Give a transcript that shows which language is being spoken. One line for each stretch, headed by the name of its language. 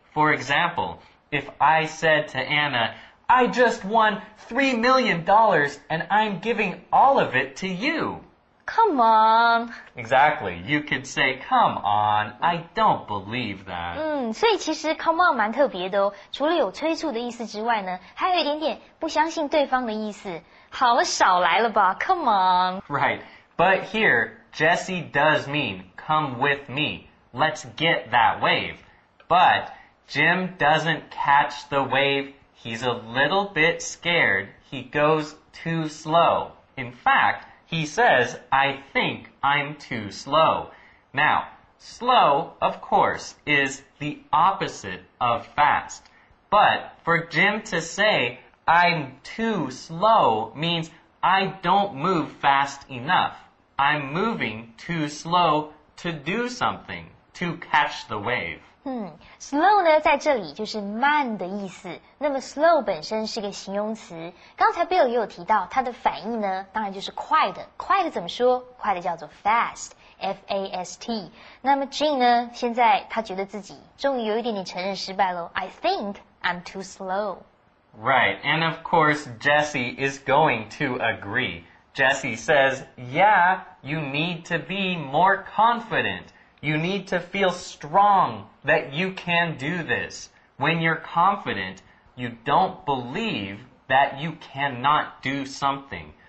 English: For example, if I said to Anna,I just won $3 million and I'm giving all of it to you. Come on. Exactly. You could say, come on, I don't believe that.
Chinese: 所以其实
English: come on
Chinese: 蛮特别的哦。除了有催促的意思之外呢，还有一点点不相信对方的意思。好少来了吧 ,
English: come on. Right. But here, Jesse does mean, come with me. Let's get that wave. But Jim doesn't catch the wave. He's a little bit scared. He goes too slow. In fact, he says, I think I'm too slow. Now, slow, of course, is the opposite of fast. But for Jim to say, I'm too slow means I don't move fast enough. I'm moving too slow to do something, to catch the wave.
Chinese: Slow 呢在这里就是慢的意思。那么
English: slow
Chinese: 本身是个形容词。刚才 Bill 也有提到它的反应呢当然就是快的。快的怎么说快的叫做
English: fast,
Chinese: F-A-S-T。那么 Gene 呢现在他觉得自己终于有一点点承认失败咯。
English: I think I'm too slow. Right, and of course Jesse is going to agree. Jesse says, yeah, you need to be more confident. You need to feel strong. That you can do this. When you're confident, you don't believe that you cannot do something.